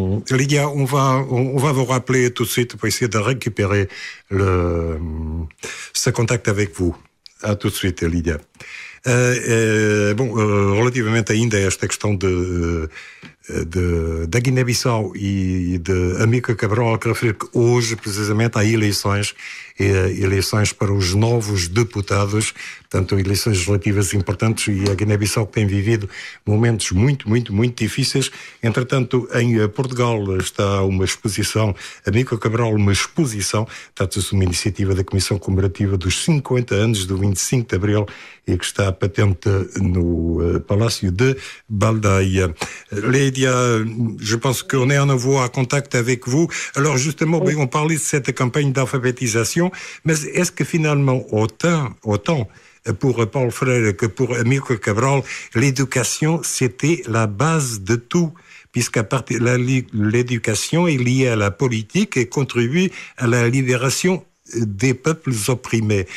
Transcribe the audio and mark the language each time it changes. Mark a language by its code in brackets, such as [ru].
[fr] Lydia, on va vous rappeler tout de suite pour essayer de récupérer ce contact avec vous. À tout de suite, Lydia. Relativement à Inde, cette question de Guinée-Bissau [pt] e de Amílcar Cabral, que refere que hoje, precisamente, há eleições, eleições para os novos deputados, portanto, eleições legislativas importantes, e a Guiné-Bissau tem vivido momentos muito, muito, muito difíceis. Entretanto, em Portugal está uma exposição, Amílcar Cabral, uma exposição, trata-se de uma iniciativa da Comissão Comemorativa dos 50 anos do 25 de Abril, e que está patente no Palácio de Baldaia. [fr] Lydia, je pense qu'on est à nouveau en contact avec vous. Alors justement, oui. On parlait de cette campagne d'alphabétisation, mais est-ce que finalement, autant pour Paul Freire que pour Amílcar Cabral, l'éducation, c'était la base de tout, puisqu'à partir de l'éducation est liée à la politique et contribue à la libération des peuples opprimés.